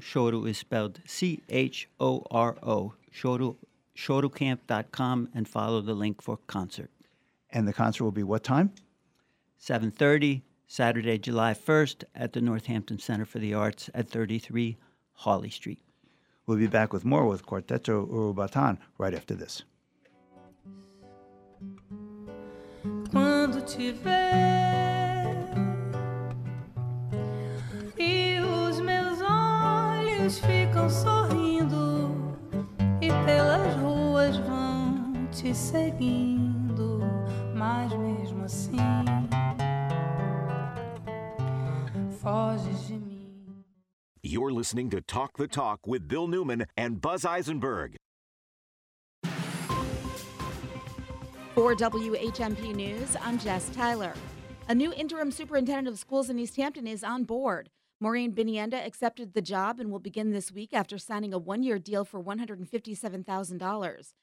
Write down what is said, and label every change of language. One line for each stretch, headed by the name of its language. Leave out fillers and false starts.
English: Choro is spelled C-H-O-R-O. Chorocamp.com and follow the link for concert. And the concert will be what time? 7:30. Saturday, July 1st at the Northampton Center for the Arts at 33 Hawley Street. We'll be back with more with Quarteto Urubatan right after this.
Portuguese: Quando te ver e os meus olhos ficam sorrindo e pelas ruas vão te seguindo, mas mesmo assim foges de mim.
English: You're listening to Talk the Talk with Bill Newman and Buzz Eisenberg. For WHMP News, I'm Jess Tyler. A new interim superintendent of schools in East Hampton is on board. Maureen Binienda accepted the job and will begin this week after signing a one-year deal for $157,000.